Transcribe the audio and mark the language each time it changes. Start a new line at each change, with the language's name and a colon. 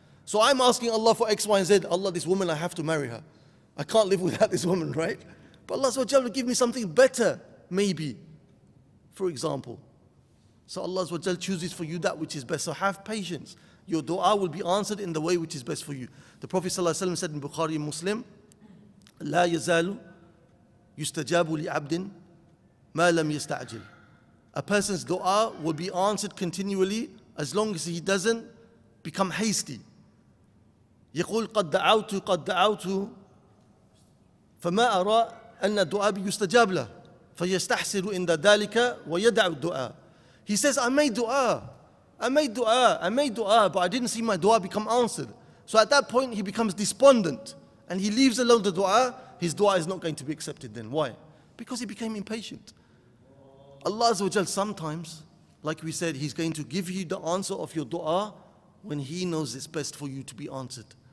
English: So I'm asking Allah for X, Y, and Z. Allah, this woman, I have to marry her. I can't live without this woman, right? But Allah subhanahu wa ta'ala, give me something better, maybe. For example. So Allah subhanahu wa ta'ala chooses for you that which is best. So have patience. Your dua will be answered in the way which is best for you. The Prophet ﷺ said in Bukhari and Muslim,
Arabic: لا يزال يستجاب لعبد ما لم يستعجل.
English: A person's dua will be answered continually as long as he doesn't become hasty.
Arabic: يقول قد دعوت قد دعوت فما أرى أن الدعاء يستجاب له فيستحسر عند ذلك ويدع الدعاء.
English: He says, I made dua, but I didn't see my dua become answered. So at that point, he becomes despondent and he leaves alone the dua. His dua is not going to be accepted then. Why? Because he became impatient. Allah Azza wa Jal sometimes, like we said, He's going to give you the answer of your dua when He knows it's best for you to be answered.